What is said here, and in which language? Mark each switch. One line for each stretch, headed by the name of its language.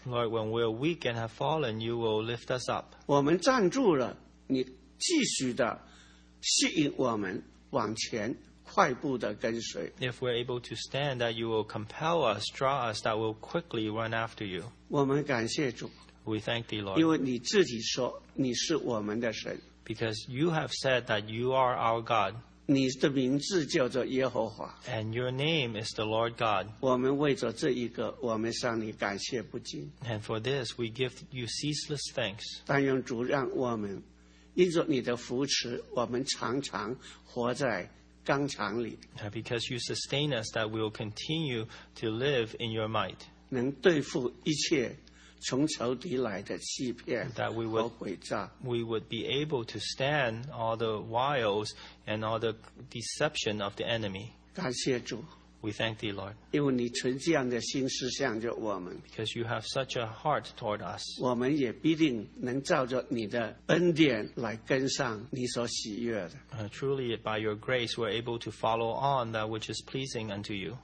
English: Lord, when we are weak and have fallen, you will lift us up.
Chinese: 我们站住了，你继续的吸引我们往前快步的跟随。
English: If we're able to stand, that you will compel us, draw us, that will quickly run after you.
Chinese: 我们感谢主。
English: We thank thee, Lord.
Chinese: 因为你自己说你是我们的神。
English: Because you have said that you are our God.
Chinese: 你的名字叫做耶和华。
English: And your name is the Lord God.
Chinese: 我们为着这一个，我们向你感谢不尽。
English: And for this, we give you ceaseless thanks.
Chinese: 但愿主让我们，因着你的扶持，我们常常活在刚强里。
English: Because you sustain us, that we will continue to live in your might.
Chinese: 能对付一切。从仇敌来的欺骗和诡诈
English: we would be able to stand all the wiles and all the deception of the enemy.
Chinese: 感谢主
English: We thank thee, Lord.
Chinese: 因为你存这样的心思向着我们
English: Because you have such a heart toward us.
Chinese: 我们也必定能照着你的恩典来跟上你所喜悦的
English: Truly, by your grace, we're able to follow on that which is pleasing unto you.